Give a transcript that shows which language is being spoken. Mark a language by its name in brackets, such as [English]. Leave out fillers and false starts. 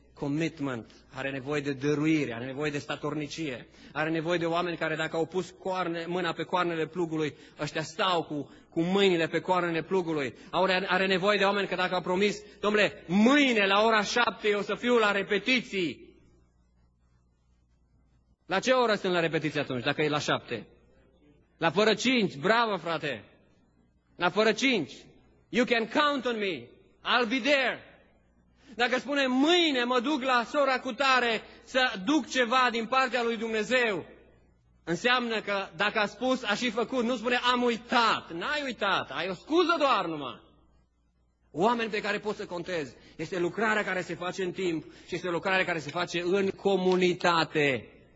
[Romanian] commitment, are nevoie de dăruire, are nevoie de statornicie, are nevoie de oameni care dacă au pus mâna pe coarnele plugului, ăștia stau cu mâinile pe coarnele plugului. Are nevoie de oameni că dacă au promis, domnule, mâine la ora 7 eu să fiu la repetiții. La ce oră sunt la repetiții atunci, dacă e la 7? La fără 5, bravo frate! La fără 5, [English] you can count on me, I'll be there. [Romanian] Dacă spune mâine mă duc la sora cutare să duc ceva din partea lui Dumnezeu, înseamnă că dacă a spus, a și făcut. Nu spune am uitat, n-ai uitat, ai o scuză doar numai. Oameni pe care poți să contezi. Este lucrarea care se face în timp și este lucrarea care se face în comunitate.